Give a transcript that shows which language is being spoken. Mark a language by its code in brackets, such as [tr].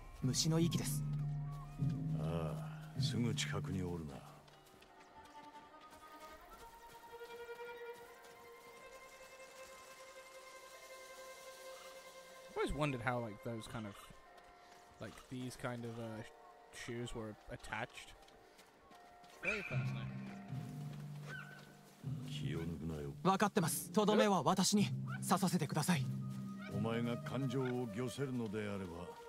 [ja] 虫の息です。ああ、すぐ近くにおるな。 [en] I've always wondered how like those kind of like these kind of shoes were attached. Very fascinating. [ja] 気を抜くなよ。分かってます。とどめは私に刺させてください。お前が感情を御せるのであれば。